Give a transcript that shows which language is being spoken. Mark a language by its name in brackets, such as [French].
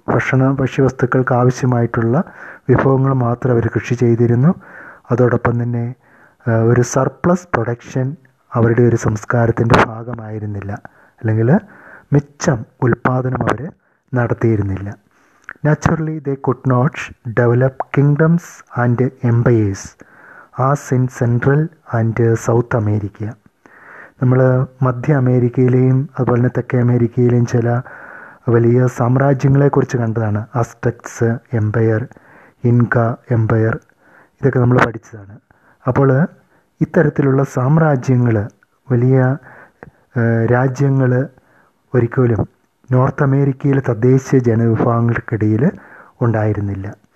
[Malayalam] ഭക്ഷണ ഭക്ഷ്യവസ്തുക്കൾക്ക് ആവശ്യമായിട്ടുള്ള വിഭവങ്ങൾ മാത്രം അവർ കൃഷി ചെയ്തിരുന്നു. അതോടൊപ്പം തന്നെ ഒരു സർപ്ലസ് പ്രൊഡക്ഷൻ അവരുടെ ഒരു സംസ്കാരത്തിൻ്റെ ഭാഗമായിരുന്നില്ല, അല്ലെങ്കിൽ മിച്ചം ഉൽപ്പാദനം അവർ നടത്തിയിരുന്നില്ല. [English] Naturally, they could not develop kingdoms and empires as in Central and South America. [Malayalam] നമ്മൾ മധ്യ അമേരിക്കയിലെയും അതുപോലെ തന്നെ തെക്കേ അമേരിക്കയിലെയും ചില വലിയ സാമ്രാജ്യങ്ങളെക്കുറിച്ച് കണ്ടതാണ്. അസ്ടെക്സ് എംപയർ, ഇൻക എംപയർ, ഇതൊക്കെ നമ്മൾ പഠിച്ചതാണ്. അപ്പോൾ ഇത്തരത്തിലുള്ള സാമ്രാജ്യങ്ങൾ, വലിയ രാജ്യങ്ങൾ ഒരിക്കലും നോർത്ത് അമേരിക്കയിലെ തദ്ദേശീയ ജനവിഭാഗങ്ങൾക്കിടയിൽ ഉണ്ടായിരുന്നില്ല.